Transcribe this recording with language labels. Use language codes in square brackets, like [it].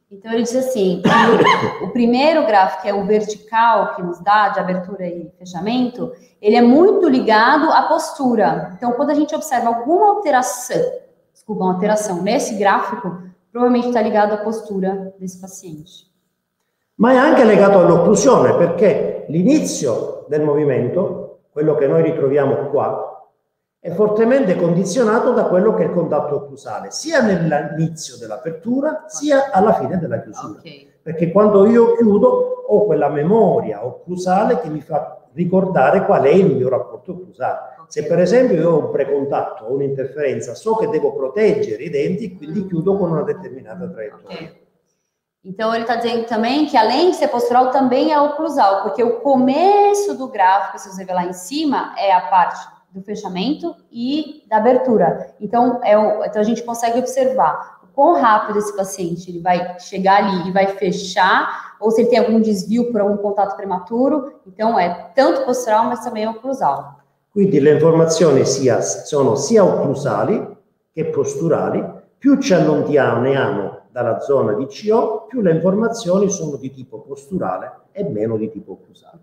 [pt] Então ele diz assim, o primeiro gráfico é o vertical, que nos dá de abertura e fechamento, ele é muito ligado à postura. Então quando a gente observa alguma alteração, desculpa, uma alteração nesse gráfico, provavelmente está ligado à postura desse paciente. [it] Ma è anche legato all'occlusione, perché l'inizio del movimento, quello che noi ritroviamo qua, è fortemente condizionato da quello che è il contatto occlusale, sia nell'inizio dell'apertura, sia alla fine della chiusura. Okay. Perché quando io chiudo, ho quella memoria occlusale che mi fa ricordare qual è il mio rapporto occlusale. Okay. Se per esempio io ho un precontatto o un'interferenza, so che devo proteggere i denti, quindi chiudo con una determinata traiettoria. Okay. [pt] Então ele está dizendo também que além de ser postural, também é oclusal, porque o começo do gráfico, se você ver lá em cima, é a parte do fechamento e da abertura. Então, então a gente consegue observar o quão rápido esse paciente ele vai chegar ali e vai fechar, ou se ele tem algum desvio por algum contato prematuro. Então é tanto postural, mas também oclusal. [it] Quindi le informazioni sono sia oclusali che posturali, più ci allontaniamo dalla zona di CO, più le informazioni sono di tipo posturale e meno di tipo occlusale.